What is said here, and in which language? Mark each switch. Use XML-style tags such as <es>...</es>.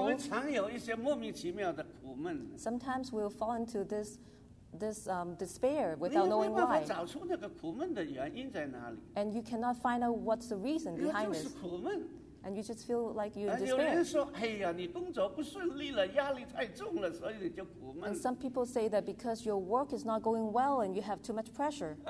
<zh>我们常有一些莫名其妙的苦闷。</zh> <en>Sometimes we'll fall into this despair without knowing why.</en> <zh>你没办法找出那个苦闷的原因在哪里。</zh> <en>And you cannot find out what's the reason behind this.</en> <zh>就是苦闷。</zh> <en>And you just feel like you're in despair.</en> <zh>有人说，哎呀，你工作不顺利了，压力太重了，所以你就苦闷。</zh> <en>And some people say that because your work is not going well and you have too much pressure.</en>